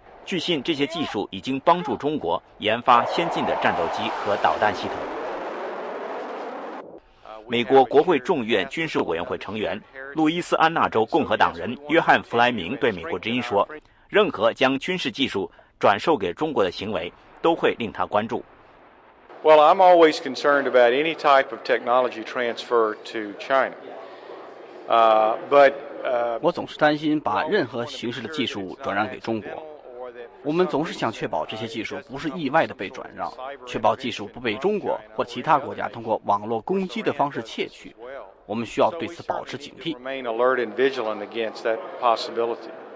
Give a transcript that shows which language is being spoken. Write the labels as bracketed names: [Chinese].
[Chinese] 据信，这些技术已经帮助中国研发先进的战斗机和导弹系统。美国国会众议院军事委员会成员、路易斯安那州共和党人约翰·弗莱明对美国之音说，任何将军事技术转售给中国的行为都会令他关注。 [English] Well, I'm always concerned about any type of technology transfer to China. But [Chinese] 我总是担心把任何形式的技术转让给中国。我们总是想确保这些技术不是意外的被转让，确保技术不被中国或其他国家通过网络攻击的方式窃取。我们需要对此保持警惕。 [English] Remain alert and vigilant against that possibility.